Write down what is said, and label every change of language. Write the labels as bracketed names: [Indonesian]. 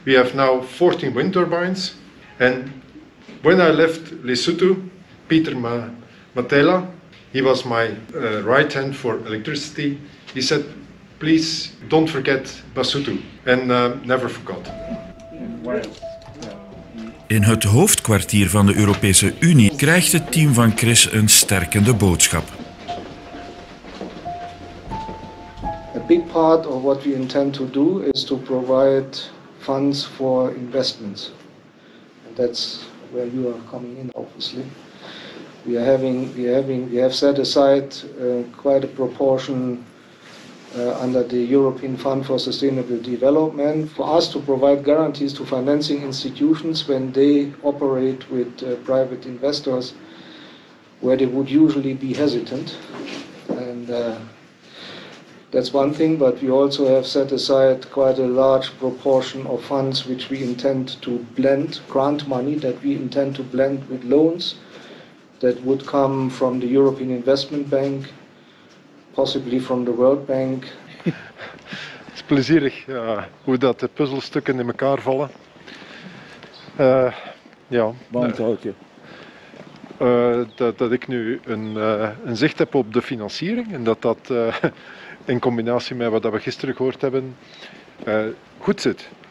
[English] We have now 14 wind turbines. And when I left Lesotho, Peter Matela, he was my right hand for electricity, he said, please don't forget Basotho. And never forgot. [Dutch] In het hoofdkwartier van de Europese Unie krijgt het team van Chris een sterkende boodschap. [English] A big part of what we intend to do is to provide funds for investments. And that's where you are coming in, obviously. We have set aside quite a proportion under the European Fund for Sustainable Development, for us to provide guarantees to financing institutions when they operate with private investors, where they would usually be hesitant. And that's one thing, but we also have set aside quite a large proportion of funds which we intend to blend, grant money that we intend to blend with loans that would come from the European Investment Bank, possibly from the World Bank. [Dutch] Het is plezierig hoe dat de puzzelstukken in elkaar vallen. Ja. Want houd je? Dat ik nu een zicht heb op de financiering en dat in combinatie met wat we gisteren gehoord hebben, goed zit.